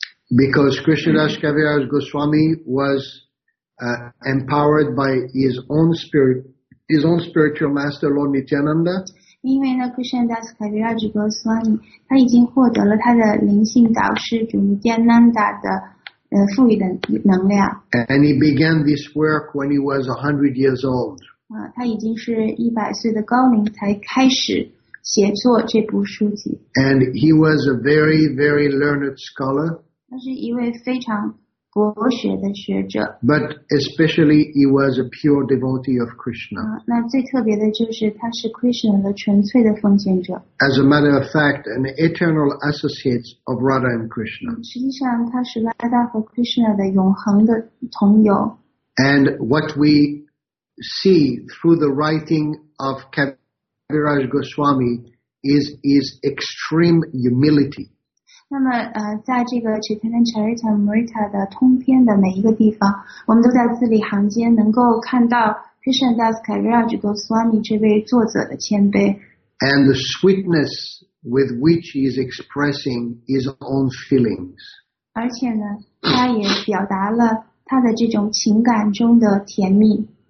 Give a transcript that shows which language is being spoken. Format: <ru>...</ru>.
<en>Because Krishnadas Kaviraj Goswami was empowered by his own spiritual master Lord Nityananda.</en> <zh>因为呢 ，Krishnadas Kaviraj Goswami 他已经获得了他的灵性导师主尼坚南达的赋予的能量。</zh> <en>And he began this work when he was 100 years old.</en> <zh>他已经是100岁的高龄才开始写作这部书籍。</zh> <en>And he was a very, very learned scholar.</en> <zh>他是一位非常博学的学者。</zh> <en>But especially he was a pure devotee of Krishna.</en> <zh>那最特别的就是他是 Krishna 的纯粹的奉献者。</zh> <en>As a matter of fact, an eternal associate of Radha and Krishna.</en> <zh>实际上他是 Radha 和 Krishna 的永恒的同友。</zh> <en>And what we see through the writing of Kaviraj Goswami is his extreme humility.</en> <zh>那么在这个 Chaitanya Charitamrita 的通篇的每一个地方，我们都在字里行间能够看到 Krishnadas Kaviraj Goswami 这位作者的谦卑。</zh> <en>And the sweetness with which he is expressing his own feelings.</en> <zh>而且呢，他也表达了他的这种情感中的甜蜜。</zh>